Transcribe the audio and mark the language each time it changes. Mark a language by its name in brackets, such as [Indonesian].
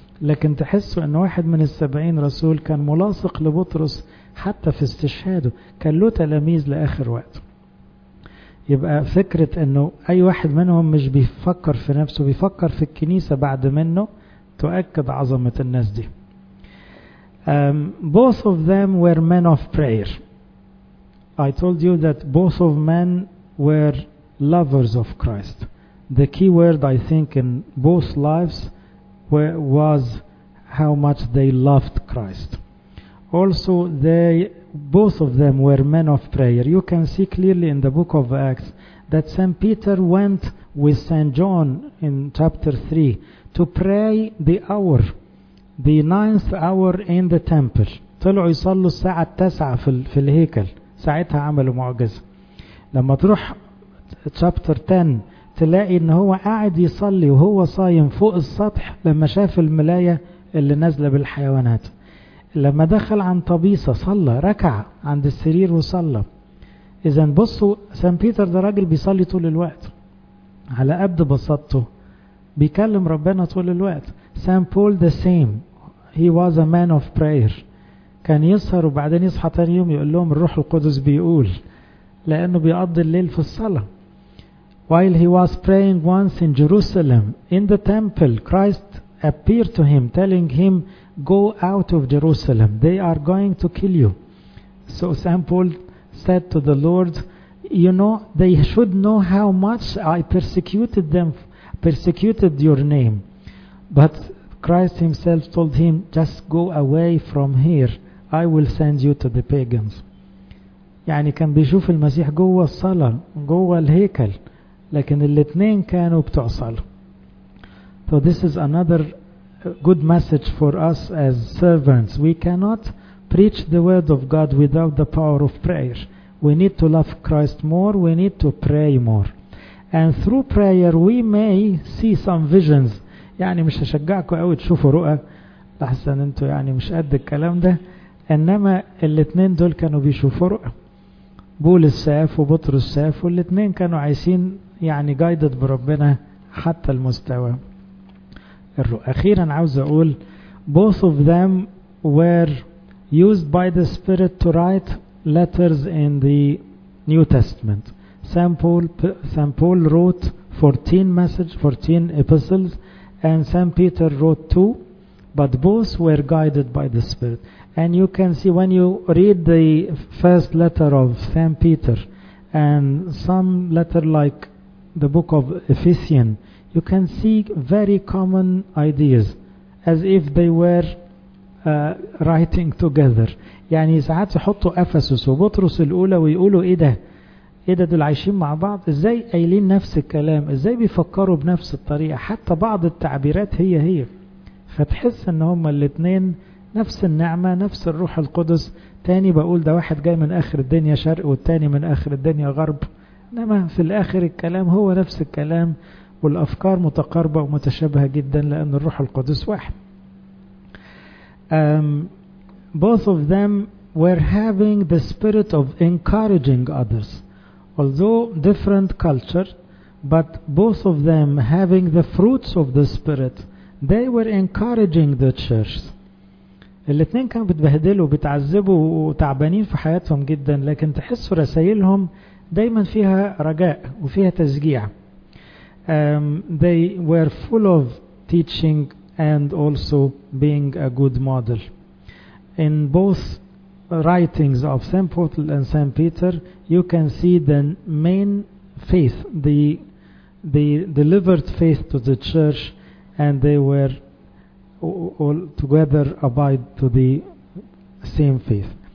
[Arabic] لكن تحسوا أن واحد من 70 رسول كان ملاصق لبطرس حتى في استشهاده، كان له تلاميذ لآخر وقت. يبقى فكرة انه اي واحد منهم مش بيفكر في نفسه، بيفكر في الكنيسة بعد منه، تؤكد عظمة الناس دي. [English] Both of them were men of prayer. I told you that both of men were lovers of Christ. The key word I think in both lives was how much they loved Christ. Also they, both of them were men of prayer. You can see clearly in the book of Acts that Saint Peter went with Saint John in chapter 3 to pray the hour, the ninth hour in the temple. [Arabic] طلعوا يصلوا الساعة التاسعة في الهيكل، ساعتها عملوا معجزة. لما تروح chapter 10 تلاقي ان هو قاعد يصلي وهو صايم فوق السطح لما شاف الملاية اللي نازلة بالحيوانات. لما دخل عن طبيصة صلى، ركع عند السرير وصلى. إذا بصوا سان بيتر ده راجل بيصلي طول الوقت، على قد بساطته بيكلم ربنا طول الوقت. سان بول [English] the same. He was a man of prayer. [Arabic] كان يسهر وبعدين يصحى تاني يوم يقول لهم الروح القدس بيقول، لأنه بيقضي الليل في الصلاة. [English] While he was praying once in Jerusalem in the temple, Christ appeared to him telling him go out of Jerusalem, they are going to kill you. So Saint Paul said to the Lord, you know, they should know how much I persecuted them, persecuted your name. But Christ himself told him, just go away from here, I will send you to the pagans. [Arabic] يعني كان بيشوف المسيح جوه الصلاة جوه الهيكل، لكن الاثنين كانوا بتوع صلاة. [English] So this is another good message for us as servants. We cannot preach the word of God without the power of prayer. We need to love Christ more. We need to pray more. And through prayer we may see some visions. [Arabic] يعني مش هشجعكم قوي تشوفوا رؤى، لحسن انتوا يعني مش قد الكلام ده، انما الاثنين دول كانوا بيشوفوا رؤى. بولس شاف وبطرس شاف، والاثنين كانوا عايشين يعني guided بربنا حتى المستوى. أخيرا عاوز أقول [English] both of them were used by the Spirit to write letters in the New Testament. Saint Paul wrote 14 epistles and Saint Peter wrote 2, but both were guided by the Spirit. And you can see when you read the first letter of Saint Peter and some letter like the book of Ephesians, you can see very common ideas as if they were writing together. [Arabic] يعني ساعات يحطوا أفسس وبطرس الأولى ويقولوا إيه ده؟ إيه ده دول عايشين مع بعض؟ إزاي قايلين نفس الكلام؟ إزاي بيفكروا بنفس الطريقة؟ حتى بعض التعبيرات هي هي. فتحس إن هما الاتنين نفس النعمة، نفس الروح القدس. تاني بقول ده واحد جاي من آخر الدنيا شرق والتاني من آخر الدنيا غرب، إنما في الآخر الكلام هو نفس الكلام والأفكار متقاربة ومتشابهة جدا لأن الروح القدس واحد. [English] Both of them were having the spirit of encouraging others. Although different culture, but both of them having the fruits of the spirit, they were encouraging the church. [Arabic] الاثنين كانوا بتبهدلوا وبتعذبوا وتعبانين في حياتهم جدا، لكن تحسوا رسائلهم دايما فيها رجاء وفيها تشجيع. [English] They were full of teaching and also being a good model. In both writings of St. Paul and St. Peter, you can see the main faith, the delivered faith to the church, and they were all together abide to the same faith.